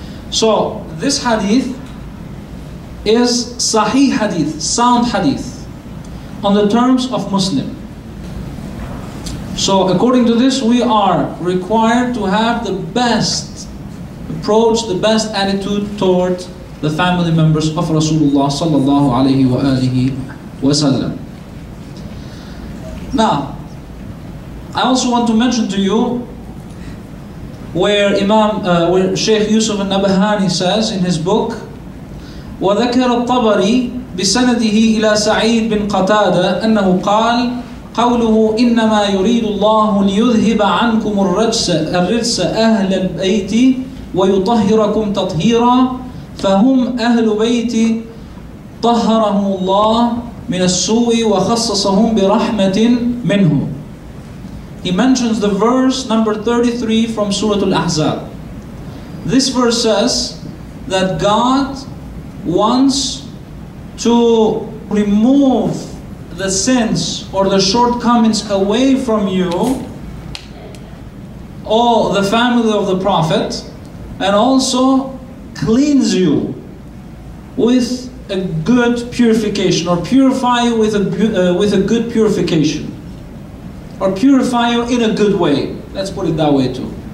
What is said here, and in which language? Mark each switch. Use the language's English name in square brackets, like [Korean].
[English] So this hadith is sahih hadith, sound hadith, on the terms of Muslim. So according to this, we are required to have the best approach, the best attitude toward the family members of Rasulullah sallallahu alayhi wa alihi wa sallam. Now, I also want to mention to you where where Shaykh Yusuf al-Nabhani says in his book, [Arabic] وَذَكَرَ الطَّبَرِي بِسَنَدِهِ إِلَى سَعِيدٍ بِنْ قَتَادَ أَنَّهُ قَالْ قوله إنما يريد الله ليذهب عنكم الرجس أهل البيت ويطهركم تطهيرا فهم أهل بيت طهرهم الله من السوء وخصصهم برحمة منه. [English] He mentions the verse number 33 from Surah Al-Ahzab. This verse says that God wants to remove the sins or the shortcomings away from you, or the family of the Prophet, and also cleanse you with a good purification, or purify you with a good purification, or purify you in a good way. Let's put it that way too.